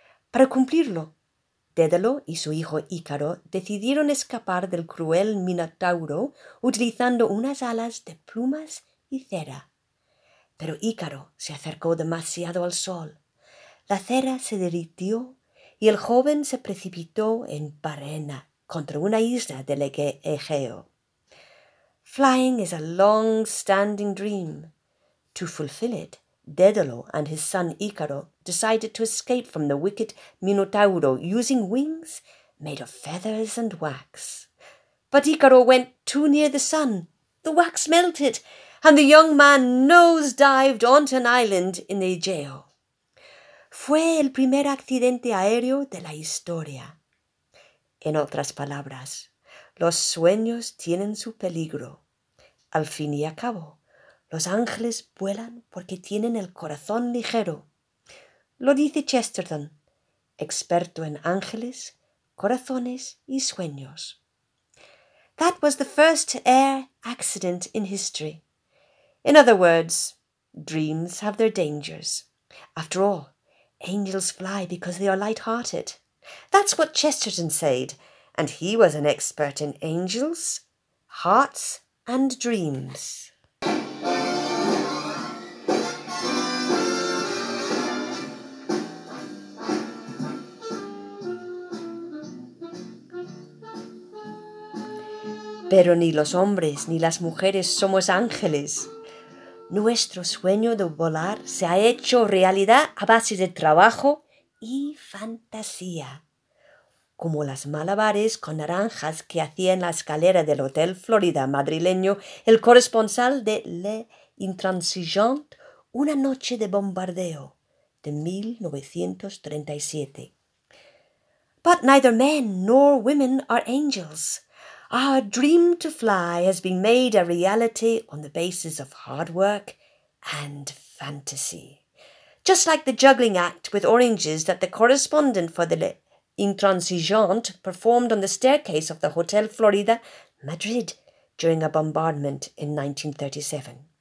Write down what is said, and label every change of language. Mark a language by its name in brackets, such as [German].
[Spanish] Para cumplirlo, Dédalo y su hijo Ícaro decidieron escapar del cruel Minotauro utilizando unas alas de plumas y cera. Pero Ícaro se acercó demasiado al sol. La cera se derritió y el joven se precipitó en Parena contra una isla del Egeo. [English] Flying is a long-standing dream. To fulfill it, Dédalo and his son Ícaro decided to escape from the wicked Minotauro using wings made of feathers and wax. But Ícaro went too near the sun, the wax melted, and the young man nose-dived onto an island in the Egeo. [Spanish] Fue el primer accidente aéreo de la historia. En otras palabras, los sueños tienen su peligro. Al fin y al cabo, los ángeles vuelan porque tienen el corazón ligero. Lo dice Chesterton, experto en ángeles, corazones y sueños. [English] That was the first air accident in history. In other words, dreams have their dangers. After all, angels fly because they are light-hearted. That's what Chesterton said, and he was an expert in angels, hearts and dreams. [Spanish] Pero ni los hombres ni las mujeres somos ángeles. Nuestro sueño de volar se ha hecho realidad a base de trabajo y fantasía. Como las malabares con naranjas que hacía en la escalera del Hotel Florida madrileño el corresponsal de Le Intransigeant, Una noche de bombardeo, de 1937. [English] But neither men nor women are angels. Our dream to fly has been made a reality on the basis of hard work and fantasy. Just like the juggling act with oranges that the correspondent for the Intransigeant performed on the staircase of the Hotel Florida, Madrid, during a bombardment in 1937.